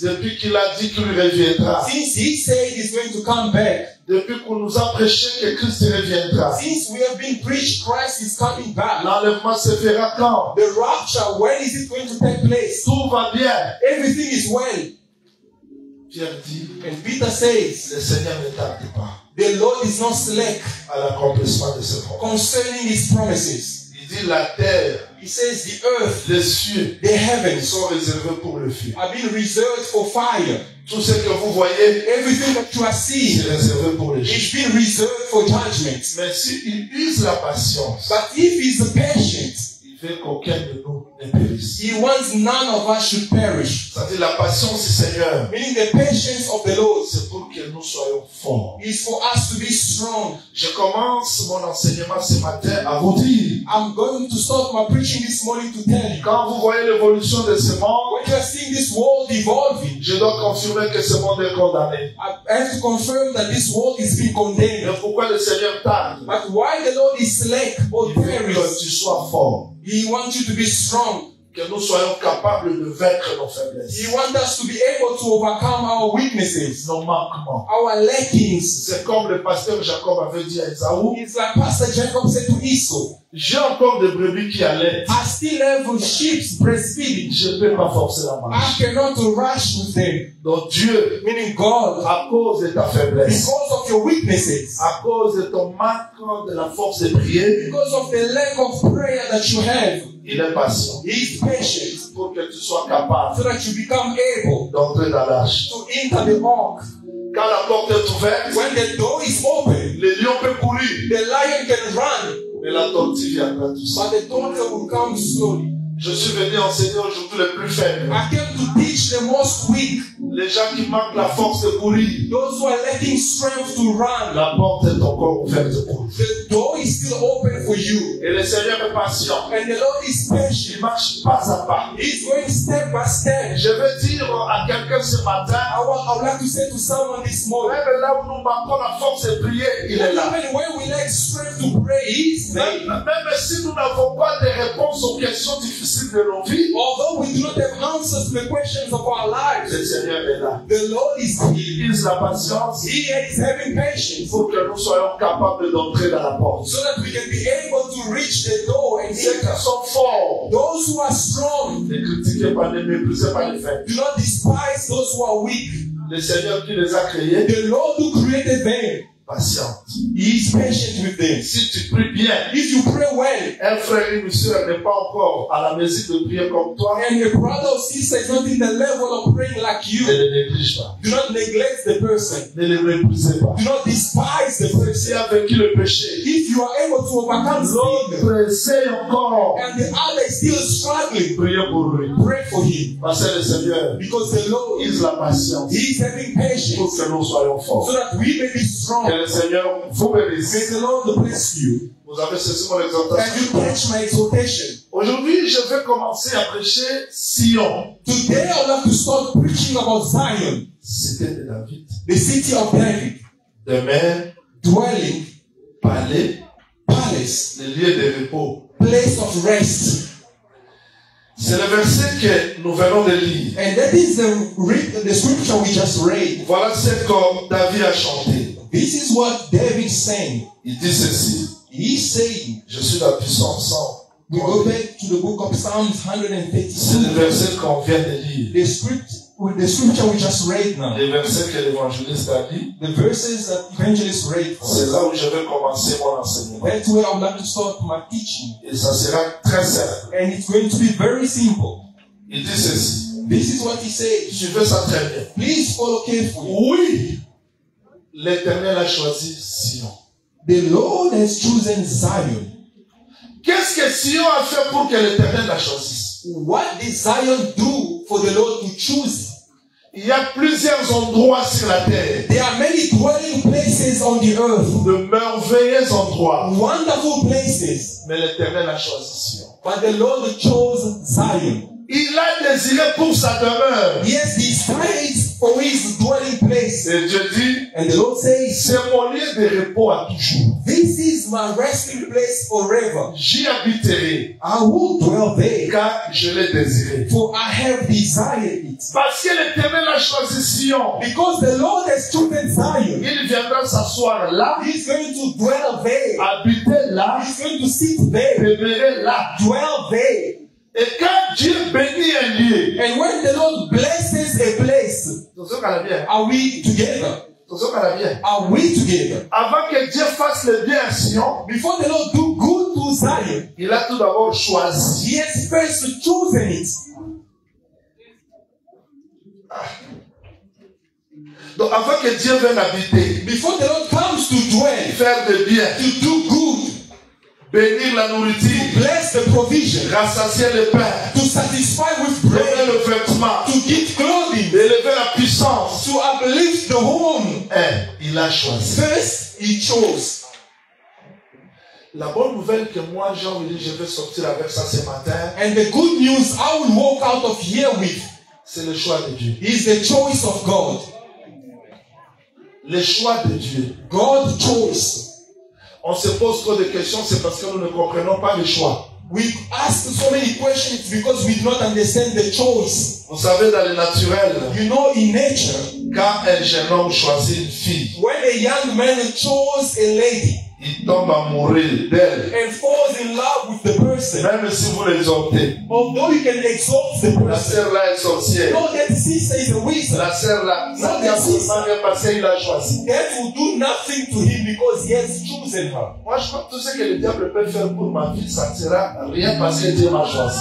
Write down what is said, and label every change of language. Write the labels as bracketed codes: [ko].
[fr] Depuis qu'il a dit qu'il reviendra. [en] Since he said he's going to come back. [fr] Depuis qu'on nous a prêché que Christ reviendra. [en] Since we have been preached Christ is coming back. [fr] L'enlèvement se fera quand? [en] The rapture, when is it going to take place? [fr] Tout va bien. [en] Everything is well. [fr] Pierre dit. [en] And Peter says. [fr] Le Seigneur ne tarde pas. [en] The Lord is not slack [fr] à l'accomplissement de ses promesses. [en] Concerning his promises. [fr] Il dit la terre, [en] he says the earth, [fr] les cieux, [en] the heavens [fr] sont réservés pour le feu. [en] Have been reserved for fire. [fr] Tout ce que vous voyez, [en] everything that you are seeing, [fr] c'est réservé pour le jugement. [en] It's been reserved for judgment. [fr] Mais si il use la patience, [en] but if he's patient, [fr] il veut qu'aucun de nous ne périsse. [en] He wants none of us should perish. [fr] C'est-à-dire la patience du Seigneur. [en] Meaning the patience of the Lord. [fr] C'est pour que nous soyons forts. [en] It's for us to be strong. [fr] Je commence mon enseignement ce matin à vous dire. [en] I'm going to start my preaching this morning to tell you. [fr] Quand vous voyez l'évolution de ce monde, [en] when you are seeing this world evolving, [fr] je dois confirmer que ce monde est condamné. [en] I have to confirm that this world is being condemned. [fr] Mais pourquoi le Seigneur tarde? [en] But why the Lord is slack or perish? [fr] Il veut que tu sois fort. [en] He wants you to be strong. [fr] Que nous soyons capables de vaincre nos faiblesses. [en] He wants us to be able to overcome our weaknesses. [fr] Nos manquements. [en] Our lackings. [fr] C'est comme le pasteur Jacob avait dit à Esaü. [en] It's like Pastor Jacob said to Esau. [fr] J'ai encore des brebis qui allaient. [en] I still have sheep breastfeeding. [fr] Je ne peux pas forcer la marche. [en] I cannot rush with them. [fr] Donc Dieu, [en] meaning God, [fr] à cause de ta faiblesse, [en] because of your weaknesses, [fr] à cause de ton manque de la force de prier, [en] because of the lack of prayer that you have, [fr] il est patient. [en] He is patient. [fr] Pour que tu sois capable, [en] so that you become able, [fr] d'entrer dans l'arche, [en] to enter the ark. [fr] Quand la porte est ouverte, [en] when the door is open, [fr] le lion peut courir, [en] the lion can run. [fr] Mais la tortue viendra tout seul. [en] But the tortue will come slowly. [fr] Je suis venu enseigner aujourd'hui les plus faibles. [en] I came to teach the most weak. [fr] Les gens qui manquent la force de courir. [en] Those who are lacking strength to run. [fr] La porte est encore ouverte pour vous. [en] The door is still open for you. [fr] Et le Seigneur est patient. [en] And the Lord is patient. [fr] Il marche pas à pas. [en] He's going step by step. [fr] Je veux dire à quelqu'un ce matin. [en] I would like to say to someone this morning. [fr] Même là où nous manquons la force de prier, il est là. [en] Even when we lack strength to pray, he's there. [fr] Même si nous n'avons pas de réponses aux questions difficiles. [en] Although we do not have answers to the questions of our lives, [fr] le Seigneur est là. [en] The Lord is here. [fr] Il a patience. [en] He is having patience. [fr] Pour que nous soyons capables d'entrer dans la porte. [en] So that we can be able to reach the door and [fr] ceux qui sont forts. [en] Those who are strong. [fr] Ne critiquez pas, ne méprisez pas les faibles. [en] Do not despise those who are weak. [fr] Le Seigneur qui les a créés. [en] The Lord who created them. [fr] Patiente. [en] He is patient with them. [fr] Si tu pries bien, [en] if you pray well, [fr] un frère et une sœur n'est pas encore à la mesure de prier comme toi. [en] And a brother or sister is not in the level of praying like you. [fr] Ne le néglige pas. [en] Do not neglect the person. [fr] Ne le méprise pas. [en] Do not despise the person. [fr] Si avec qui le péché. [en] If you are able to overcome [fr] l'autre, pressez encore. [en] And the other is still struggling. [fr] Priez pour lui. [en] Pray for him. [fr] Parce que le Seigneur, [en] because the Lord is [fr] la patience. [en] He is having patience. [fr] Pour que nous soyons forts. [en] So that we may be strong. [fr] Que le Seigneur vous bénisse. [en] May the Lord bless you. [fr] Vous avez saisi mon exhortation. [en] And you catch my exhortation. [fr] Aujourd'hui, je vais commencer à prêcher Sion. [en] Today, I would like to start preaching about Zion. [fr] Cité de David. [en] The city of David. [fr] Demeure. [en] Dwelling. [fr] Palais. [en] Palace. [fr] Le lieu de repos. [en] Place of rest. [fr] C'est le verset que nous venons de lire. [en] And that is the scripture we just read. [fr] Voilà ce que David a chanté. [en] This is what David saying. [fr] Il dit ceci. [en] He saying, [fr] je suis la puissance sans. [en] We go back to the book of Psalms 136. [fr] C'est le verset qu'on vient de lire. [en] The scripture we just read now. [fr] Les versets que l'évangéliste a dit. [en] The verses that evangelist read. [fr] C'est là où je vais commencer mon enseignement. [en] That's where I would like to start my teaching. [fr] Et ça sera très simple. [en] And it's going to be very simple. [fr] Il dit ceci. [en] This is what he said. [fr] Je veux ça très bien. [en] Please follow carefully. [fr] Oui. L'Éternel a choisi Sion. [en] The Lord has chosen Zion. [fr] Qu'est-ce que Sion a fait pour que l'Éternel la choisisse? [en] What did Zion do [fr] for the Lord to choose. Il y a plusieurs endroits sur la terre. [en] There are many dwelling places on the earth. [fr] De merveilleux endroits. [en] Wonderful places. [fr] Mais l'Éternel a choisi Sion. [en] But the Lord chose Zion. [fr] Il a désiré pour sa demeure. [en] Yes, he strives for his dwelling place. [fr] Et Dieu dit, [en] and the Lord says, [fr] c'est mon lieu de repos à toujours. [en] This is my resting place forever. [fr] J'y habiterai. [en] I will dwell there. [fr] Car je l'ai désiré. [en] For I have desired it. [fr] Parce que l'Éternel a choisi Sion. [en] Because the Lord has chosen Zion. [fr] Il viendra s'asseoir là. [en] He is going to dwell there. [fr] Habiter là. [en] He is going to sit there. [fr] Demeurer là. [en] Dwell there. [fr] Et quand Dieu bénit un lieu, [en] and when the Lord blesses a place, are we together? Are we together? [fr] Avant que Dieu fasse le bien à Sion, [en] before the Lord do good to Zion, [fr] il a tout d'abord choisi. [en] He has first chosen it. [fr] Donc avant que Dieu vienne habiter, [en] before the Lord comes to dwell, [fr] faire le bien, [en] to do good. [fr] Bénir la nourriture. [en] To bless the provision. [fr] Rassasier le pain. [en] To satisfy with bread. [fr] Donner le vêtement. [en] To give clothing. [fr] Élever la puissance. [en] To uplift the home. [fr] Et il a choisi. [en] First, he chose. [fr] La bonne nouvelle que moi, Jean, je vais sortir avec ça ce matin. [en] And the good news I will walk out of here with. [fr] C'est le choix de Dieu. [en] Is the choice of God. [fr] Le choix de Dieu. [en] God chose. [fr] On se pose trop de questions, c'est parce que nous ne comprenons pas le choix. [en] We ask so many questions because we do not understand the choice. [fr] Vous savez, dans le naturel, [en] you know, in nature, [fr] quand un jeune homme choisit une fille, [en] when a young man chose a lady, [fr] il tombe amoureux d'elle, [en] and falls in love with the person, [fr] même si vous l'exhortez, [en] although you can exhort the person, [fr] la sœur là est sorcière, [en] no, that sister is a wizard, [fr] la sœur là, [en] not that sister, [fr] parce qu'il l'a choisi, [en] that will do nothing to him because he has chosen her. [fr] Moi, je crois que tout ce que le diable peut faire pour ma fille, ça ne sera rien parce que Dieu m'a choisi.